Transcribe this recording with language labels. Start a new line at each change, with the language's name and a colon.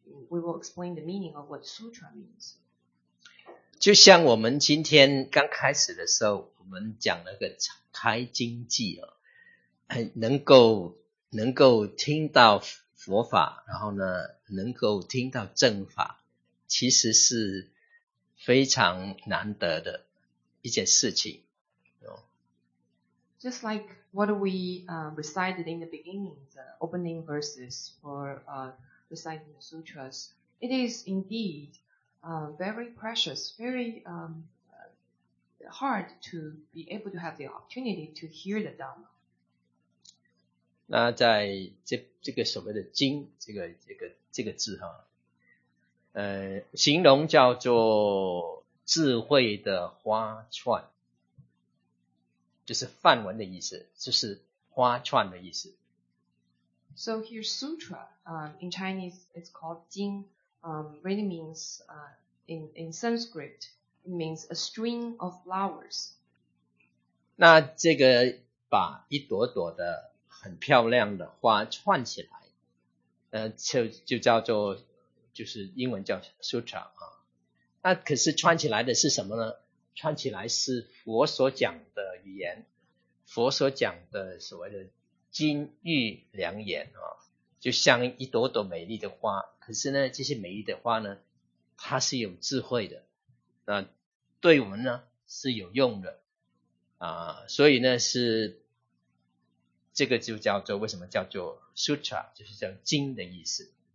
English: We will explain the meaning of what sutra means.
Chinese: 就像我们今天刚开始的时候，我们讲了个开经偈，能够听到佛法，然后呢能够听到正法，其实是非常难得的一件事情。
English: Just like what we recited in the beginning, the opening verses for reciting the sutras, it is indeed very precious, very hard to be able to have the opportunity to hear the Dhamma.
Chinese: 那在这个所谓的经，这个字哈，形容叫做智慧的花串。就是梵文的意思，就是花串的意思。
English: So here sutra, in Chinese it's called jing, really means, in Sanskrit, it means a string of flowers.
Chinese: 那这个把一朵朵的很漂亮的花串起来，就叫做，就是英文叫 sutra 啊。那可是串起来的是什么呢？串起来是佛所讲的语言，佛所讲的所谓的金玉良言，就像一朵朵美丽的花，可是呢这些美丽的花呢它是有智慧的，那对我们呢是有用的啊，所以呢是这个就叫做，为什么叫做 sutra， 就是叫经的意思。